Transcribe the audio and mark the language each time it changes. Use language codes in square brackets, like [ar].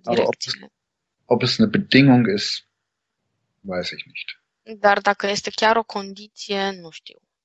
[de] Aber [ro] direcție. [de] ob es eine Bedingung ist, weiß ich nicht. [ro] Dar dacă este chiar o condiție, nu știu.